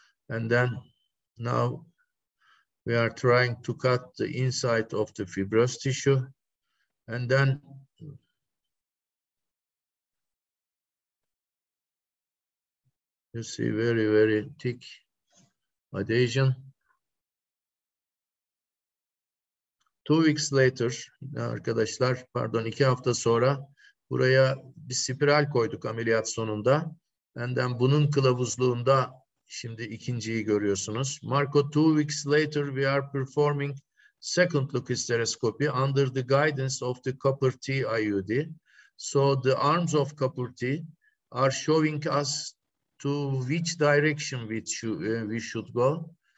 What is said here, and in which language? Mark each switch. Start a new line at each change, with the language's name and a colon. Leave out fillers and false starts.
English: And then now we are trying to cut the inside of the fibrous tissue. And then you see very, very thick adhesion. 2 weeks later,
Turkish: arkadaşlar, pardon, 2 hafta sonra buraya bir spiral koyduk ameliyat sonunda. Benden bunun kılavuzluğunda şimdi ikinciyi görüyorsunuz.
English: Marco, 2 weeks later we are performing second look hysteroscopy under the guidance of the copper T IUD. So the arms of copper T are showing us to which direction we should go.